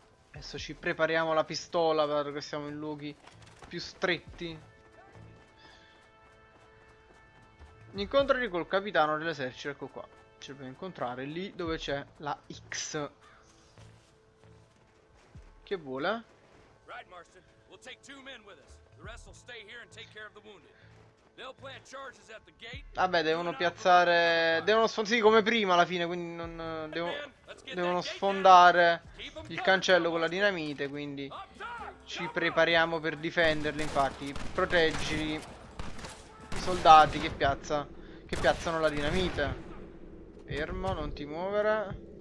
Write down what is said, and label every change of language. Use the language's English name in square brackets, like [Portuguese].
[Italian] Adesso ci prepariamo la pistola, dato che siamo in luoghi più stretti. Incontri col capitano dell'esercito. Ecco qua. Ci dobbiamo incontrare lì dove c'è la X. Che vuole? Right, Marston. [English] We'll take two men with us. The rest will stay here and take care of the wounded. They'll plant charges at the gate. [Italian] Vabbè, devono piazzare. Devono sfondare. Sì, come prima alla fine. Quindi non. Devono sfondare il cancello con la dinamite. Quindi ci prepariamo per difenderli. Infatti, proteggili. Soldati che piazza, che piazzano la dinamite. Fermo, non ti muovere.